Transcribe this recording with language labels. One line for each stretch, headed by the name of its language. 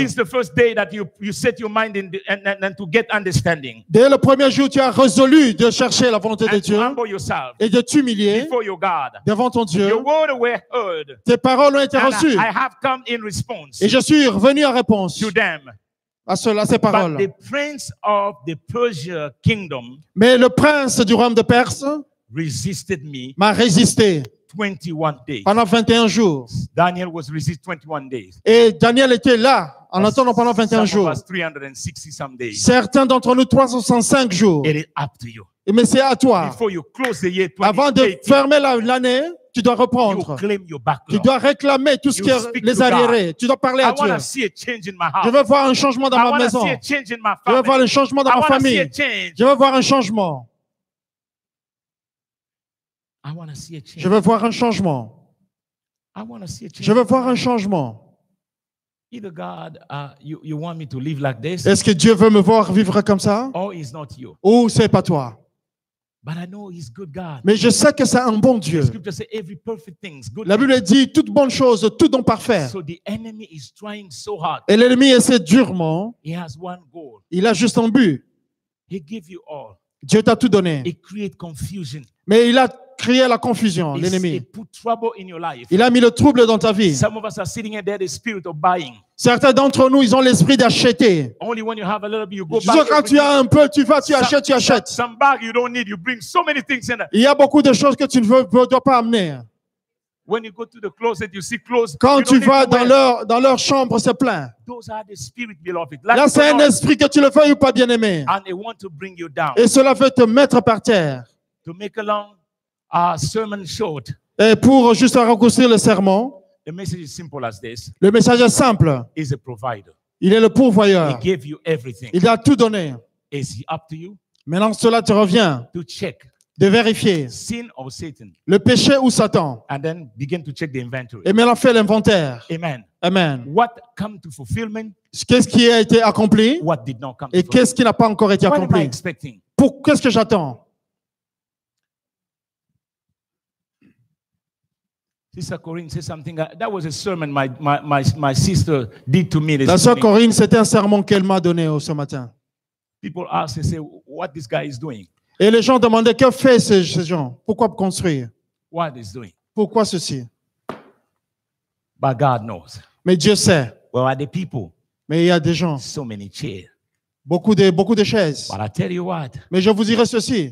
English: Since the first day that you set your mind in the, and to get understanding.
French: Dès le premier jour, tu as résolu de chercher la volonté de Dieu.
English: And to humble yourself.
French: Et de t'humilier.
English: Before your God.
French: Devant ton Dieu.
English: Your word were heard.
French: Tes paroles ont été reçues.
English: I have come in response.
French: Et je suis revenu en réponse.
English: To them.
French: À ces paroles.
English: But the prince of the Persian kingdom.
French: Mais le prince du royaume de Perse.
English: Resisted me.
French: M'a résisté.
English: 21 days.
French: Pendant 21 jours.
English: Daniel was resist 21 days.
French: Et Daniel était là en attendant pendant 21 jours.
English: Some of us 360 some days.
French: Certains d'entre nous 365 jours.
English: It is up to you.
French: Mais c'est à toi.
English: Before you close the year 2018,
French: avant de fermer l'année, tu dois reprendre.
English: You claim your backlog.
French: Tu dois réclamer tout ce qui est les arriérés. Tu dois parler à Dieu. Je veux voir un changement dans ma maison. Je veux voir un changement dans ma famille. Je veux voir un changement.
English: I want to see a change.
French: Je veux voir un changement.
English: I want to see a change.
French: Je veux voir un changement.
English: Either God, you want me to live like this?
French: Est-ce que Dieu veut me voir vivre comme ça?
English: Or he's not you.
French: Ou c'est pas toi?
English: But I know he's good God.
French: Mais je sais que c'est un bon Dieu.
English: The scripture says every perfect thing is good.
French: La Bible dit toute bonne chose, tout don parfait.
English: So the enemy is trying so hard.
French: Et l'ennemi essaie durement.
English: He has one goal.
French: Il a juste un but.
English: He give you all.
French: Dieu t'a tout donné.
English: He create confusion.
French: Mais il a créer la confusion,
English: it's,
French: l'ennemi.
English: It put trouble in your life.
French: Il a mis le trouble dans ta vie.
English: Some of us are sitting there, the spirit of buying.
French: Certains d'entre nous, ils ont l'esprit d'acheter.
English: Only when you have a little bit, you go
French: juste
English: back
French: quand tu as un peu, tu vas, tu achètes, tu achètes.
English: Some bag you don't need, you bring so many things in there.
French: Il y a beaucoup de choses que tu ne dois pas amener.
English: When you go to the closet, you see clothes.
French: Quand
English: you
French: tu vas dans leur chambre, c'est plein.
English: Those are the spirit, beloved.
French: Like là, c'est un esprit que tu le fais ou pas, bien aimé.
English: And they want to bring you down.
French: Et cela veut te mettre par terre.
English: To make a long a sermon short.
French: Et pour juste raccourcir le sermon,
English: the message is simple as this.
French: Le message est simple.
English: He's a provider.
French: Il est le pourvoyeur.
English: He gave you everything.
French: Il a tout donné.
English: Is he up to you?
French: Maintenant, cela te revient
English: to check
French: de vérifier
English: sin or Satan.
French: Le péché ou Satan.
English: And then begin to check the inventory.
French: Et maintenant, fais l'inventaire.
English: Amen.
French: Amen.
English: What come to fulfillment?
French: Qu'est-ce qui a été accompli?
English: What did not come
French: et to qu'est-ce qui n'a pas encore été
English: what
French: accompli?
English: Am I expecting?
French: Pour qu'est-ce que j'attends?
English: Sister Corinne said something that was a sermon my sister did to me this morning.
French: La sœur Corinne, c'était un sermon qu'elle m'a donné ce matin.
English: People ask and say, what this guy is doing?
French: Et les gens demandaient que fait ce gens? Pourquoi construire?
English: What is doing?
French: Pourquoi ceci?
English: But God knows.
French: Mais Dieu sait.
English: Where are the people?
French: Mais il y a des gens.
English: So many chairs.
French: Beaucoup de chaises.
English: But I tell you what,
French: mais je vous dirai ceci.